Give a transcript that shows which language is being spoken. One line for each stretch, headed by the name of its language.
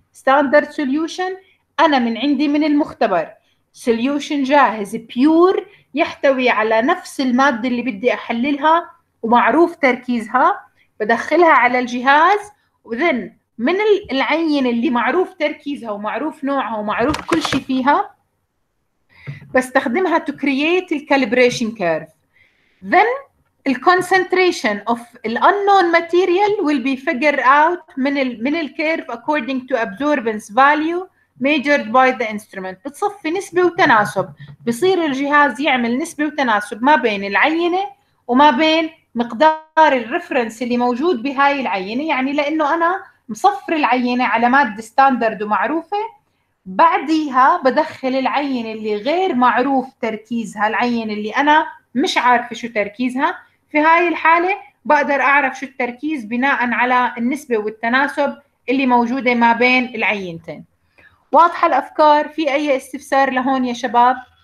Arabic: standard solution أنا من عندي من المختبر، سوليوشن جاهز بيور يحتوي على نفس المادة اللي بدي أحللها ومعروف تركيزها، بدخلها على الجهاز وذن من العينة اللي معروف تركيزها ومعروف نوعها ومعروف كل شيء فيها بستخدمها
English: to create the calibration curve. Then the concentration of the unknown material will be figured out
Arabic: من الكيرف
English: according to absorbance value measured by the instrument.
Arabic: بتصفي نسبة وتناسب، بصير الجهاز يعمل نسبة وتناسب ما بين العينة وما بين مقدار الرفرنس اللي موجود بهاي العينة، يعني لأنه أنا مصفر العينة على مادة ستاندرد ومعروفة بعديها بدخل العين اللي غير معروف تركيزها، العين اللي أنا مش عارفة شو تركيزها، في هاي الحالة بقدر أعرف شو التركيز بناء على النسبة والتناسب اللي موجودة ما بين العينتين. واضحة الأفكار؟ في أي استفسار لهون يا شباب؟